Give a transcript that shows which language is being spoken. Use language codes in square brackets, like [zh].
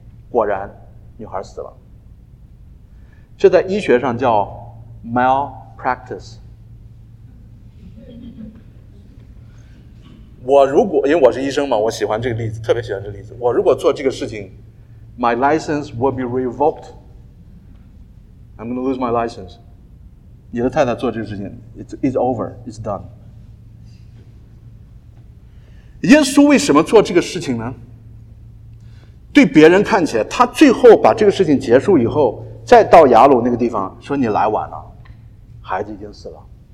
[zh] 果然女孩死了，这在医学上叫 malpractice。我如果因为我是医生嘛，我喜欢这个例子，特别喜欢这个例子。我如果做这个事情 [en] ，my license will be revoked. I'm going to lose my license. [zh] 你的太太做这个事情 ， [en] it's over, it's done. [zh] 耶稣为什么做这个事情呢？对别人看起来，他最后把这个事情结束以后，再到雅鲁那个地方，说你来晚了，孩子已经死了。